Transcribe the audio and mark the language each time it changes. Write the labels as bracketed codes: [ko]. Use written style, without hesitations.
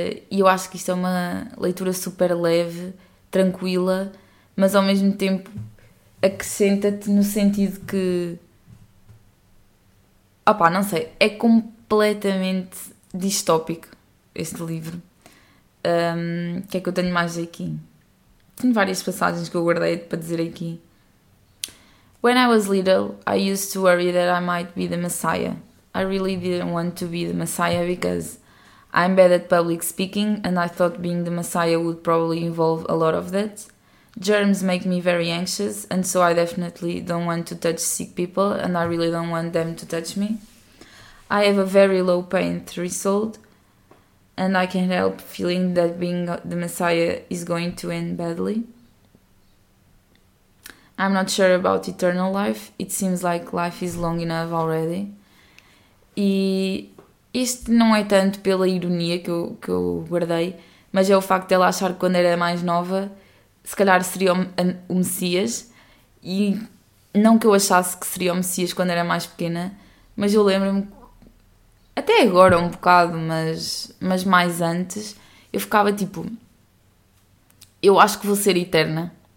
[pt] E eu acho que isto é uma leitura super leve, tranquila, mas ao mesmo tempo acrescenta-te no sentido que, opá, não sei, é completamente distópico este livro. O que é que eu tenho mais aqui? Tenho várias passagens que eu guardei para dizer aqui. [en] When I was little, I used to worry that I might be the Messiah. I really didn't want to be the Messiah because I'm bad at public speaking and I thought being the Messiah would probably involve a lot of that. Germs make me very anxious and so I definitely don't want to touch sick people and I really don't want them to touch me. I have a very low pain threshold and I can't help feeling that being the Messiah is going to end badly. I'm not sure about eternal life. It seems like life is long enough already. [pt] E isto não é tanto pela ironia que eu guardei, mas é o facto de ela achar que quando era mais nova se calhar seria o Messias. E não que eu achasse que seria o Messias quando era mais pequena, mas eu lembro-me, até agora um bocado, mas mais antes, eu ficava tipo, eu acho que vou ser eterna.